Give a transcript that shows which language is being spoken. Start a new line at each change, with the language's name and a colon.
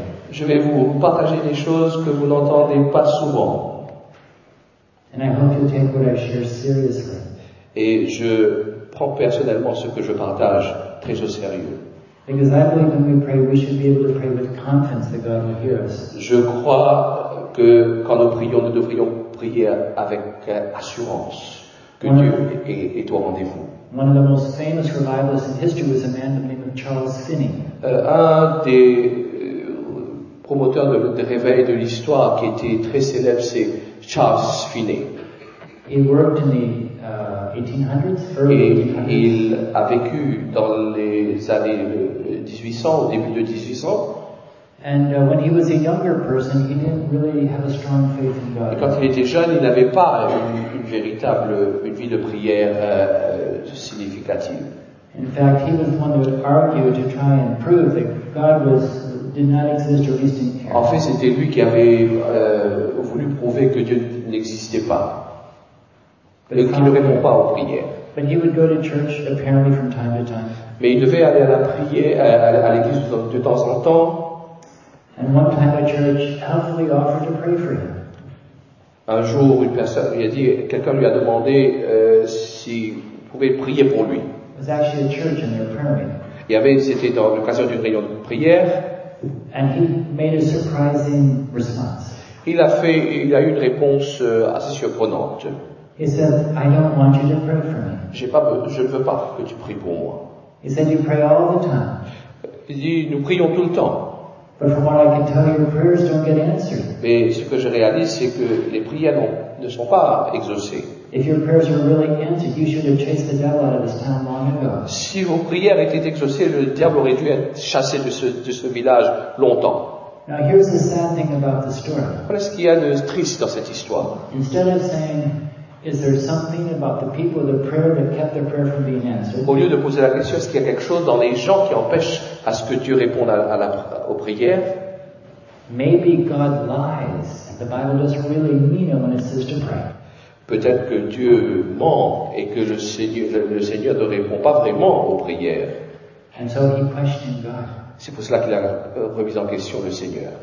French: Je vais vous partager des choses que vous n'entendez pas souvent.
English: And I hope you'll take what I share seriously.
French: Et je prends personnellement ce que je partage très au sérieux. Je crois que quand nous prions, nous devrions prier avec assurance que Dieu est au rendez-vous.
English: One of the most famous revivalists in history was a man by the name of Charles Finney.
French: Un des promoteurs de réveil de l'histoire qui était très célèbre, c'est Charles Finney.
English: He worked in the 1800s, early 1800s.
French: Et il a vécu dans les années 1800, au début de 1800.
English: And when he was a younger person, he didn't really have a strong faith in God.
French: Et quand il était jeune, il n'avait pas une vie de prière significative.
English: In fact, he was one that argued to try and prove that God was did not exist or at least didn't care.
French: En fait, c'était lui qui avait voulu prouver que Dieu n'existait pas, et qu'il ne répond pas aux prières.
English: But he would go to church apparently from time to time.
French: Mais il devait aller à l'église de temps en temps.
English: And one time, a church helpfully offered to pray for him.
French: Un jour, une personne lui a dit, quelqu'un lui a demandé s'il pouvait prier pour lui.
English: It was actually a church in their prayer meeting.
French: C'était dans l'occasion d'une réunion de prière.
English: And he made a surprising response.
French: Il a eu une réponse assez surprenante.
English: He said, I don't want you to pray for me.
French: Je ne veux pas que tu pries pour moi.
English: He said, you pray all the time.
French: Il dit, nous prions tout le temps.
English: But from what I can tell, your prayers don't get answered.
French: Mais ce que je réalise, c'est que les prières ne sont pas exaucées.
English: If your prayers were really answered, you should have chased the devil out of this town long ago.
French: Si vos prières étaient exaucées, le diable aurait dû être chassé de ce village longtemps.
English: Now here's the sad thing about the story.
French: Voilà ce qu'il y a de triste dans cette histoire.
English: Instead of saying, is there something about the people, the prayer that kept their prayer from being answered?
French: Au lieu de poser la question, est-ce qu'il y a quelque chose dans les gens qui empêche à ce que Dieu réponde aux prières?
English: Maybe God lies. The Bible doesn't really mean it when it says to pray.
French: Peut-être que Dieu ment et que le Seigneur ne répond pas vraiment aux prières.
English: And so he questioned God.
French: C'est pour cela qu'il a remis en question le Seigneur.